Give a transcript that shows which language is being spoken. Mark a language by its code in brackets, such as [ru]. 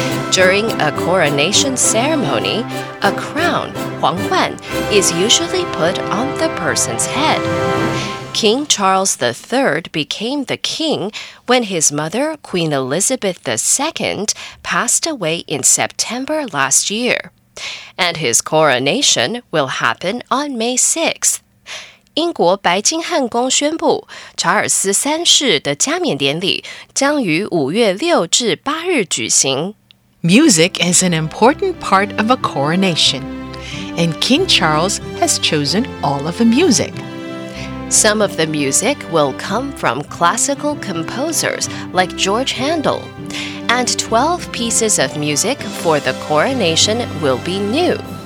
[en] During a coronation ceremony, a crown, 皇冠, is usually put on the person's head. King Charles III became the king when his mother, Queen Elizabeth II, passed away in September last year. And his coronation will happen on May 6th. [zh] 英国白金汉宫宣布，查尔斯三世的加冕典礼将于5月6至8日举行。 [en] Music is an important part of a coronation, and King Charles has chosen all of the music. Some of the music will come from classical composers like George Handel, and 12 pieces of music for the coronation will be new.